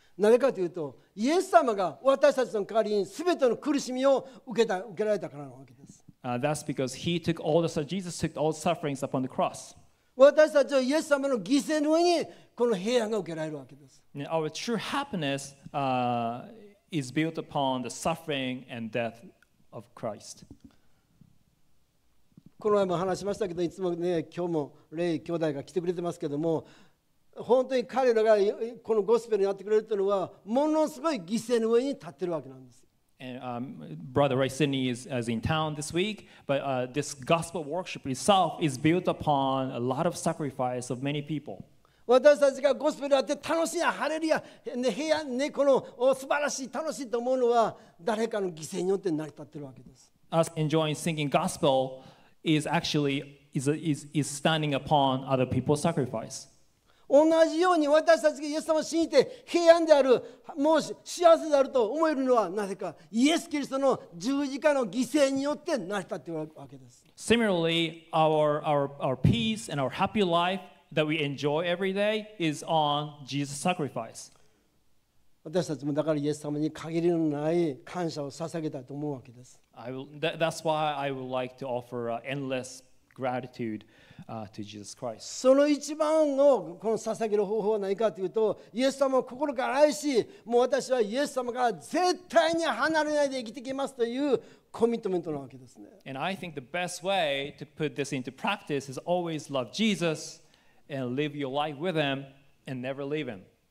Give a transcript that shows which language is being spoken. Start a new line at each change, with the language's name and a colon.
Japanese: なぜかというと、イエス様が私たちの代わりに全ての苦しみを受けられたからなわけです。
English: That's because he took all the Jesus took all sufferings upon the cross.
Japanese: 私たちはイエス様の犠牲の上にこの平安が受けられるわけです。
English: Our true happiness, is built upon the suffering and death of Christ.
Japanese: この前も話しましたけど、いつもね、今日もレイ兄弟が来てくれてますけども、本当に彼らがこのゴスペルにやってくれるというのはものすごい犠牲の上に立ってるわけなんです。
English: And, Brother Ray Sidney is in town this week, but this gospel worship itself is built upon a lot of sacrifice of many people.
Japanese: 私たちがゴスペルやって楽しいや、ハレルヤ、ね、平安ね、この素晴らしい、楽しいと思うのは誰かの犠牲によって成り立ってるわけです。
English: Us enjoying singing gospel is standing upon other people's sacrifice.
Japanese: 同じように私たちがイエス様を信じて平安である、もう幸せであると思えるのはなぜか、イエス・キリストの十字架の犠牲によって成り立っているわけです。
English: Similarly, our peace and our happy life that we enjoy every day is on Jesus' sacrifice.
Japanese: 私たちもだからイエス様に限りのない感謝を捧げたいと思うわけです。
English: That's why I would like to offer endless gratitude. To Jesus Christ.
Japanese: その一番のこの捧げる方法は何かというと、イエス様を心から愛し、もう私はイエス様から絶対に離れないで生きていきますというコミットメントなわけですね。
English: And I think the best way to put this into practice is always love Jesus and live your life with him and never leave him.